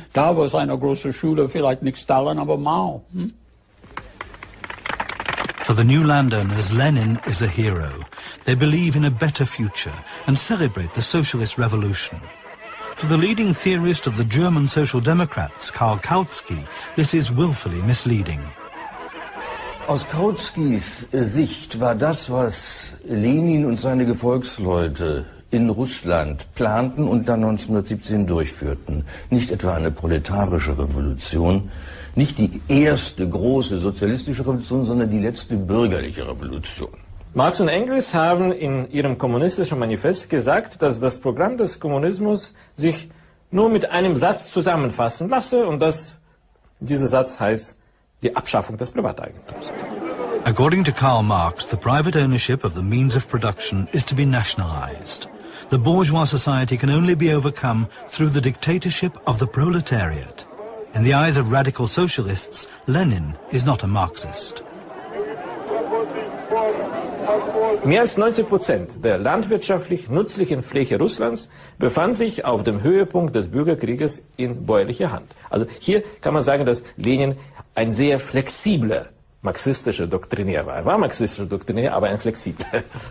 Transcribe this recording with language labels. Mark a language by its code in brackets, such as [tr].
[de] Da war seine große Schule vielleicht nicht Stalin, aber Mao. [en] For the new landowners, Lenin is a hero. They believe in a better future and celebrate the socialist revolution. For the leading theorist of the German Social Democrats, Karl Kautsky, this is willfully misleading. [de] Aus Kautskys Sicht war das, was Lenin und seine Gefolgsleute in Russland planten und dann 1917 durchführten, nicht etwa eine proletarische Revolution, nicht die erste große sozialistische Revolution, sondern die letzte bürgerliche Revolution. Marx und Engels haben in ihrem kommunistischen Manifest gesagt, dass das Programm des Kommunismus sich nur mit einem Satz zusammenfassen lasse und dass dieser Satz heißt die Abschaffung des Privateigentums. [en] According to Karl Marx, the private ownership of the means of production is to be nationalized. The bourgeois society can only be overcome through the dictatorship of the proletariat. In the eyes of radical socialists, Lenin is not a Marxist. [de] Mehr als 90% der landwirtschaftlich nützlichen Fläche Russlands befand sich auf dem Höhepunkt des Bürgerkrieges in bäuerlicher Hand. Also hier kann man sagen, dass Lenin ein sehr flexibler marxistischer Doktrinär war. Er war marxistischer Doktrinär, aber ein flexibler.